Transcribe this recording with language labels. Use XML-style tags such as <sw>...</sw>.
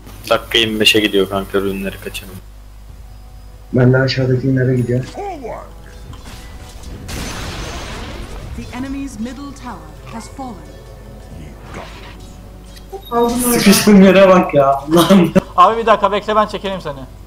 <tr>Dakika 25'e gidiyor kanka, rünleri kaçalım. Ben de aşağıdaki inlere gidiyorum.</tr> <en>The enemy's middle tower has fallen.</en> <tr>Sıkıştığım yere bak ya. Abi bir dakika bekle, ben çekelim seni.</tr>